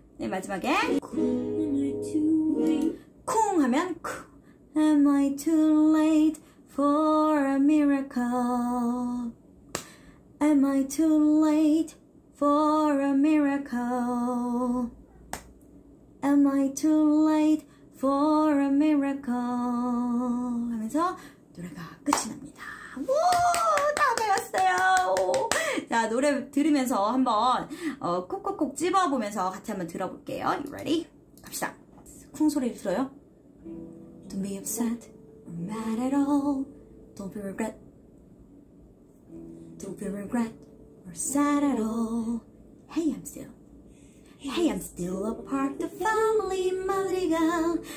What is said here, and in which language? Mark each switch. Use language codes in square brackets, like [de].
[ko] 네, 마지막에. [en] Kung 하면 Am I too late for a miracle? Am I too late for a miracle? Am I too late for a miracle? [ko] 하면서 노래가 끝이 납니다. 오, 다 배웠어요. 자, 노래 들으면서 한번 콕콕콕 집어보면서 같이 한번 들어볼게요. [en] You ready? [ko] 갑시다. 쿵 소리를 들어요. [en] Don't be upset or mad at all. Don't be regret. Don't feel regret or sad at all. Hey, I'm still. Hey, I'm still a part of the family, Madrigal.